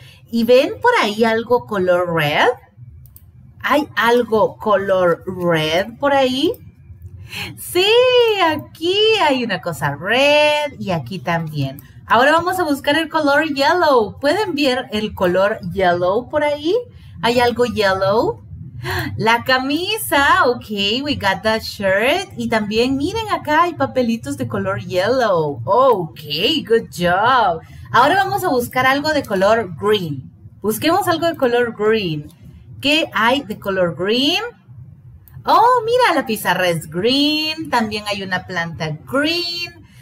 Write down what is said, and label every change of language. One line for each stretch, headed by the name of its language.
Spanish: ¿Y ven por ahí algo color red? ¿Hay algo color red por ahí? Sí, aquí hay una cosa red y aquí también. Ahora vamos a buscar el color yellow. ¿Pueden ver el color yellow por ahí? ¿Hay algo yellow? La camisa,
English: ok, we got that shirt.
Spanish: Y también, miren, acá hay papelitos de color yellow.
English: Ok, good job.
Spanish: Ahora vamos a buscar algo de color green. Busquemos algo de color green. ¿Qué hay de color green? Oh, mira, la pizarra es green. También hay una planta green.